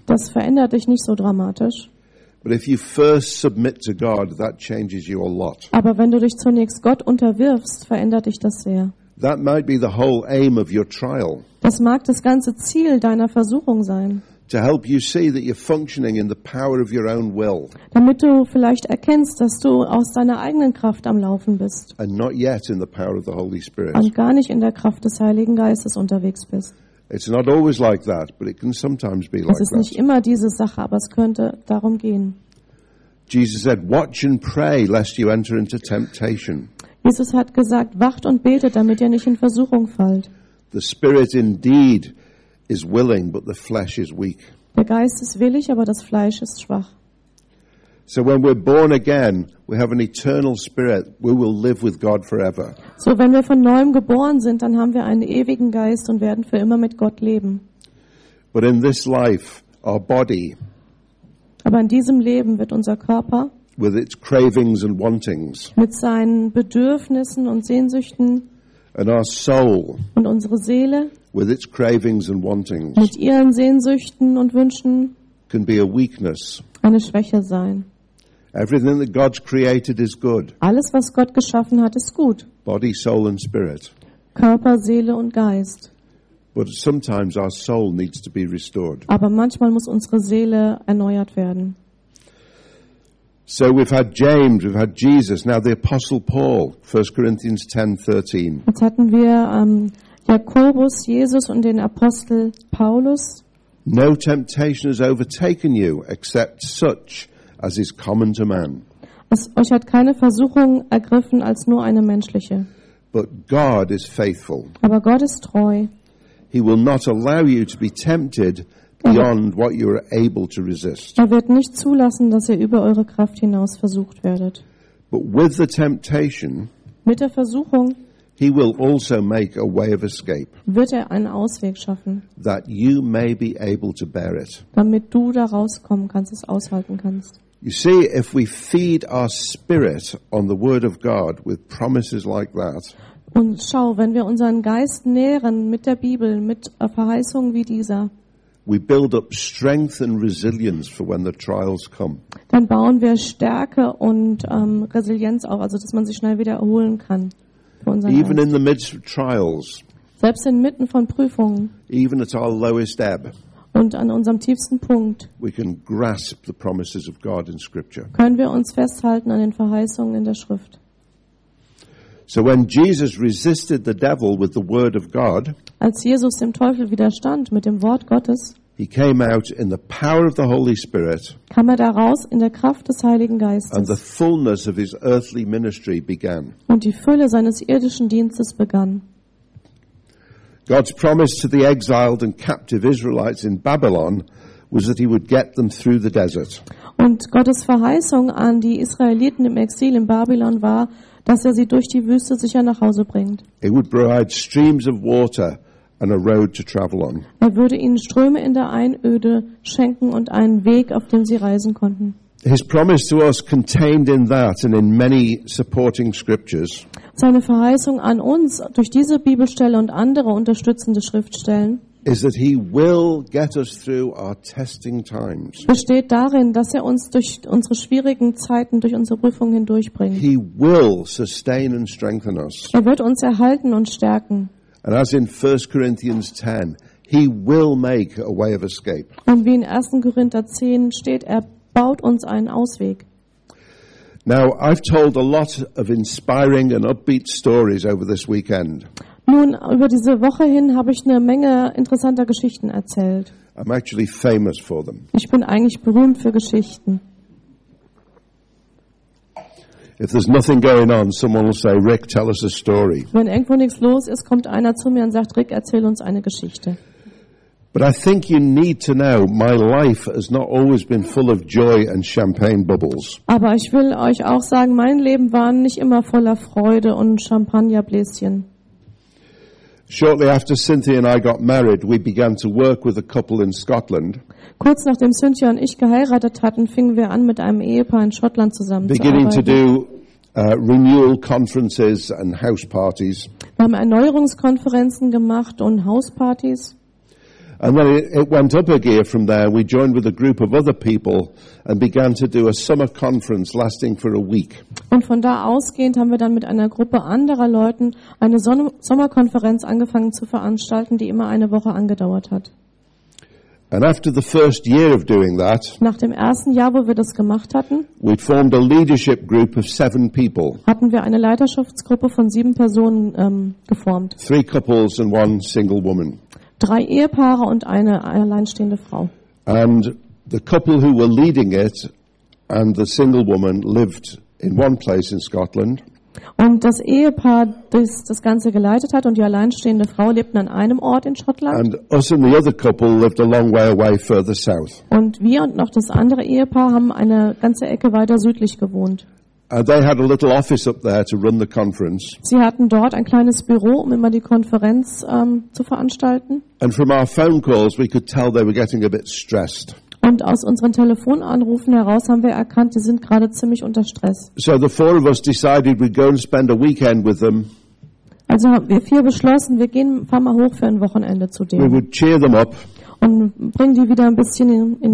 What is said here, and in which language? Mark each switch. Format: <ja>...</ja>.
<de>Das verändert dich nicht so dramatisch.</de> <en>But if you first submit to God, that changes you a lot.</en> <de>Aber wenn du dich zunächst Gott unterwirfst, verändert dich das sehr.</de> <en>That might be the whole aim of your trial.</en> <de>Das mag das ganze Ziel deiner Versuchung sein.</de> <en>To help you see that you're functioning in the power of your own will.</en> <de>Damit du vielleicht erkennst, dass du aus deiner eigenen Kraft am Laufen bist.</de> <en>And not yet in the power of the Holy Spirit.</en> <de>Und gar nicht in der Kraft des Heiligen Geistes unterwegs bist.</de> <en>It's not always like that, but it can sometimes be like that.</en> <de>Es ist nicht immer diese Sache, aber es könnte darum gehen.</de> <en>Jesus said, "Watch and pray, lest you enter into temptation."</en> <de>Jesus hat gesagt, wacht und betet, damit ihr nicht in Versuchung fallt.</de> <en>The spirit indeed is willing, but the flesh is weak.</en> <de>Der Geist ist willig, aber das Fleisch ist schwach.</de> <en>So when we're born again, we have an eternal spirit. We will live with God forever.</en> <de>So wenn wir von neuem geboren sind, dann haben wir einen ewigen Geist und werden für immer mit Gott leben.</de> <en>But in this life, our body.</en> <de>Aber in diesem Leben wird unser Körper.</de> <en>With its cravings and wantings.</en> <de>Mit seinen Bedürfnissen und Sehnsüchten.</de> <en>And our soul.</en> <de>Und unsere Seele.</de> <en>With its cravings and wantings.</en> <de>Mit ihren Sehnsüchten und Wünschen.</de> <en>Can be a weakness.</en> <de>Eine Schwäche sein.</de> <en>Everything that God's created is good.</en> <de>Alles, was Gott geschaffen hat, ist gut.</de> <en>Body, soul and spirit.</en> <de>Körper, Seele und Geist.</de> <en>But sometimes our soul needs to be restored.</en> <de>Aber manchmal muss unsere Seele erneuert werden.</de> <en>So we've had James, we've had Jesus, now the Apostle Paul, 1 Corinthians 10:13.</en> <de>Jetzt hatten wir Jakobus, Jesus und den Apostel Paulus.</de> <en>No temptation has overtaken you except such as is common to man.</en> <de>Euch hat keine Versuchung ergriffen als nur eine menschliche.</de> <en>But God is faithful.</en> <de>Aber Gott ist treu.</de> <en>He will not allow you to be tempted beyond what you are able to resist.</en> <de>Er wird nicht zulassen, dass ihr über eure Kraft hinaus versucht werdet.</de> <en>But with the temptation,</en> <de>mit der Versuchung,</de> <en>he will also make a way of escape.</en> <de>Wird er einen Ausweg schaffen?</de> <en>That you may be able to bear it.</en> <de>Damit du da rauskommen kannst, es aushalten kannst.</de> <en>You see, if we feed our spirit on the word of God with promises like that.</en> <de>Und schau, wenn wir unseren Geist nähren mit der Bibel, mit Verheißungen wie dieser.</de> <en>We build up strength and resilience for when the trials come.</en> <de>Dann bauen wir Stärke und Resilienz auf, also dass man sich schnell wieder erholen kann.</de> <en>Even in the midst of trials,</en> <de>selbst inmitten von Prüfungen,</de> <en>even at our lowest ebb,</en> <de>und an unserem tiefsten Punkt,</de> <en>we can grasp the promises of God in Scripture.</en> <de>Können wir uns festhalten an den Verheißungen in der Schrift.</de> <en>So when Jesus resisted the devil with the word of God,</en> <de>als Jesus dem Teufel widerstand mit dem Wort Gottes,</de> <en>he came out in the power of the Holy Spirit,</en> <de>kam er daraus in der Kraft des Heiligen Geistes,</de> <en>and the fullness of his earthly ministry began.</en> <de>Und die Fülle seines irdischen Dienstes begann.</de> <en>God's promise to the exiled and captive Israelites in Babylon was that he would get them through the desert.</en> <de>Und Gottes Verheißung an die Israeliten im Exil in Babylon war, dass er sie durch die Wüste sicher nach Hause bringt.</de> <en>It would provide streams of water and a road to travel on.</en> <de>Er würde ihnen Ströme in der Einöde schenken und einen Weg, auf dem sie reisen konnten.</de> <en>His promise to us contained in that and in many supporting scriptures.</en> <de>Seine Verheißung an uns durch diese Bibelstelle und andere unterstützende Schriftstellen</de> <en>is that he will get us through our testing times.</en> <de>Besteht darin, dass er uns durch unsere schwierigen Zeiten, durch unsere Prüfungen hindurchbringt.</de> <en>He will sustain and strengthen us.</en> <de>Er wird uns erhalten und stärken.</de> <en>And as in 1 Corinthians 10, he will make a way of escape.</en> <de>Und wie in 1. Korinther 10 steht, er baut uns einen Ausweg.</de> <en>Now, I've told a lot of inspiring and upbeat stories over this weekend.</en> <de>Nun, über diese Woche hin habe ich eine Menge interessanter Geschichten erzählt.</de> <en>I'm actually famous for them.</en> <de>Ich bin eigentlich berühmt für Geschichten.</de> <en>If there's nothing going on, someone will say, Rick, tell us a story.</en> <de>Wenn irgendwo nichts los ist, kommt einer zu mir und sagt, Rick, erzähl uns eine Geschichte.</de> <en>But I think you need to know my life has not always been full of joy and champagne bubbles.</en> <de>Aber ich will euch auch sagen, mein Leben war nicht immer voller Freude und Champagnerbläschen.</de> <en>Shortly after Cynthia and I got married, we began to work with a couple in Scotland.</en> <de>Kurz nachdem Cynthia und ich geheiratet hatten, fingen wir an mit einem Ehepaar in Schottland zusammenzuarbeiten.</de> <en>Beginning to do renewal conferences and house parties.</en> <de>Wir haben Erneuerungskonferenzen gemacht und Hauspartys.</de> <en>And then it went up a gear from there. We joined with a group of other people and began to do a summer conference lasting for a week.</en> <de>Und von da ausgehend haben wir dann mit einer Gruppe anderer Leuten eine Sommerkonferenz angefangen zu veranstalten, die immer eine Woche angedauert hat.</de> <en>And after the first year of doing that,</en> <de>nach dem ersten Jahr, wo wir das gemacht hatten,</de> <en>we formed a leadership group of 7 people.</en> <de>Hatten wir eine Leiterschaftsgruppe von 7 Personen geformt.</de> <en>3 couples and 1 single woman.</en> <de>3 Ehepaare und eine alleinstehende Frau.</de> <en>And the couple who were leading it and the single woman lived in one place in Scotland.</en> <de>Und das Ehepaar, das das Ganze geleitet hat und die alleinstehende Frau lebten an einem Ort in Schottland.</de> <en>And us and the other couple lived a long way away further south.</en> <de>Und wir und noch das andere Ehepaar haben eine ganze Ecke weiter südlich gewohnt.</de> <en>And they had a little office up there to run the conference.</en> <de>Sie hatten dort ein kleines Büro, um immer die Konferenz zu veranstalten.</de> <en>And from our phone calls we could tell they were getting a bit stressed.</en> <de>Und aus unseren Telefonanrufen heraus haben wir erkannt, sie sind gerade ziemlich unter Stress.</de> <en>So the four of us decided we'd go and spend a weekend with them.</en> <de>Also haben wir 4 beschlossen, wir gehen fahren mal hoch für ein Wochenende zu denen.</de> <en>We would cheer them up.</en> <de>Und bringen die wieder ein bisschen in</de>